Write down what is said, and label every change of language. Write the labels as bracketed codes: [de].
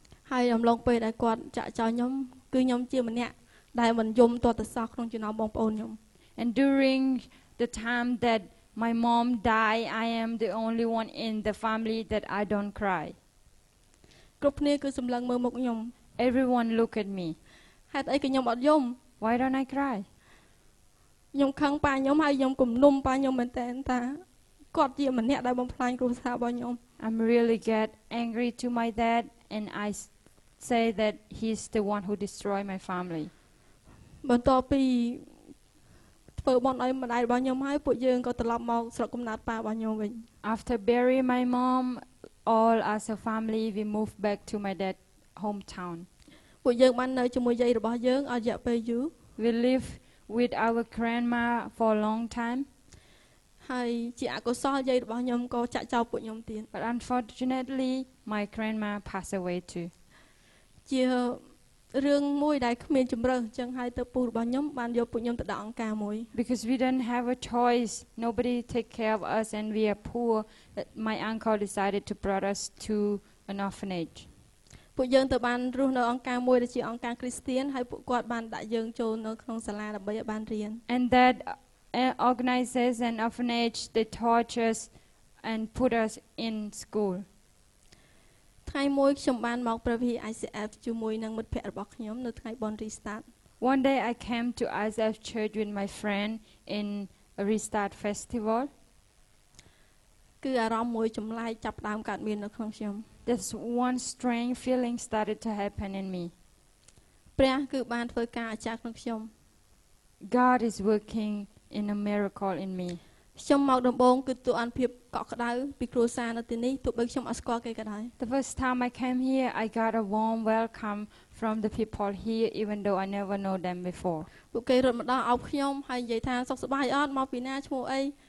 [km] ហើយអំឡុងពេលដែលគាត់ចាក់ចោលខ្ញុំគឺខ្ញុំជាម្នាក់ដែលមិនយំទាល់តែសោះក្នុងចំណោមបងប្អូនខ្ញុំ [en] And during the time that my mom died, I am the only one in the family that I don't cry. [km] គ្រប់គ្នាគឺសម្លឹងមើលមកខ្ញុំ [en] Everyone look at me. [km] ហេតុអីគឺខ្ញុំអត់យំ [en] Why don't I cry? [km] ខ្ញុំខឹងប៉ាខ្ញុំហើយខ្ញុំគំនុំប៉ាខ្ញុំមែនតើថាគាត់ជាម្នាក់ដែលបំផ្លាញគ្រួសាររបស់ខ្ញុំ [en] I'm really get angry to my dad and I say that he's the one who destroyed my family [km] បន្ទាប់ពីធ្វើបន់ឲ្យម្ដាយរបស់ខ្ញុំហើយពួកយើងក៏ត្រឡប់មកស្រុកកំណើតប៉ារបស់ខ្ញុំវិញ [en] After bury my mom all as a family we move back to my dad hometown [km] ពួកយើងបាននៅជាមួយយាយរបស់យើងអស់រយៈពេលយូរ [en] We liveWith our grandma for a long time. [km] Hi, ជាអកុសលយាយរបស់ខ្ញុំក៏ចាក់ចោលពួកខ្ញុំទៀត [en] But unfortunately, my grandma passed away too. [km] ជារឿងមួយដែលគ្មានជម្រើសចឹងហើយទៅពូរបស់ខ្ញុំបានយកពួកខ្ញុំទៅដាក់អង្គការមួយ [en] Because we didn't have a choice. Nobody take care of us and we are poor. My uncle decided to brought us to an orphanage. [km] ពួកយើងទៅបានរស់នៅអង្គការមួយដែលជាអង្គការគ្រីស្ទានហើយពួកគាត់បានដាក់យើងចូលនៅក្នុងសាលាដើម្បីឲ្យបានរៀន [en] And that organizes an orphanage they taught us and put us in school [km] ថ្ងៃមួយខ្ញុំបានមកប្រវិ ICF ជាមួយនឹងមិត្តភ័ក្តិរបស់ខ្ញុំនៅថ្ងៃបុណ្យ Restart [en] One day I came to ICF church with my friend in a Restart festival [km] គឺអារម្មណ៍មួយចម្លែកចាប់ដើមកើតមាននៅក្នុងខ្ញុំ [en] This one strange feeling started to happen in me. [km] ព្រះគឺបានធ្វើការអស្ចារ្យក្នុងខ្ញុំ [en] God is working in a miracle in me. [km] ខ្ញុំមកដំបូងគឺទូអានភាពកក់ក្ដៅពីគ្រួសារនៅទីនេះទោះបីខ្ញុំអត់ស្គាល់គេក៏ដោយ [en] The first time I came here I got a warm welcome from the people here even though I never know them before. [km] ពួកគេរត់មកដល់អោបខ្ញុំហើយនិយាយថាសុខសប្បាយអត់មកពីណាឈ្មោះអី